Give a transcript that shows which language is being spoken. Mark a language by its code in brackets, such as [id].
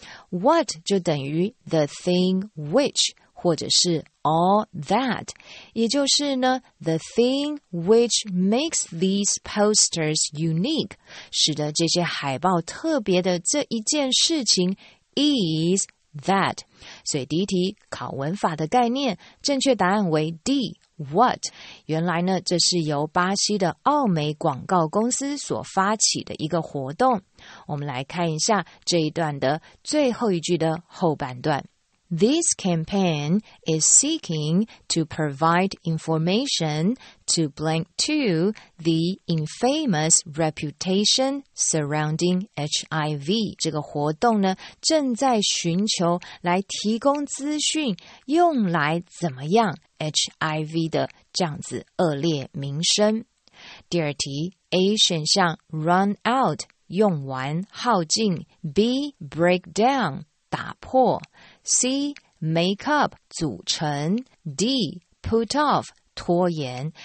[zh] What 就等于 [en] the thing which， [zh] 或者是 [en] all that， [zh] 也就是呢 [en] the thing which makes these posters unique， [zh] 使得这些海报特别的这一件事情 isThat， 所以第一题考文法的概念，正确答案为 D， What。原来呢，这是由巴西的奥美广告公司所发起的一个活动。我们来看一下这一段的最后一句的后半段。 [en] This campaign is seeking to provide information to blank to the infamous reputation surrounding HIV。 [zh] 这个活动呢，正在寻求来提供资讯，用来怎么样 HIV 的这样子恶劣名声。第二题 A 选项 run out 用完耗尽， B break down 打破， C make up 组成， D put off拖延。